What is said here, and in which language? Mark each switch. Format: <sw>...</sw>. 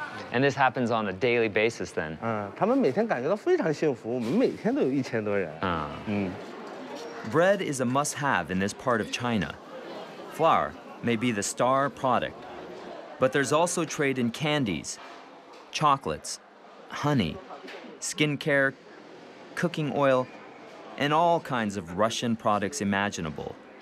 <en>And this happens on a daily basis then?</en> <zh>他们每天感觉到非常幸福，我们每天都有1000多人。</zh> <en>Bread is a must-have in this part of China. Flour may be the star product, but there's also trade in candies, chocolates, honey, skincare, cooking oil, and all kinds of Russian products imaginable.</en>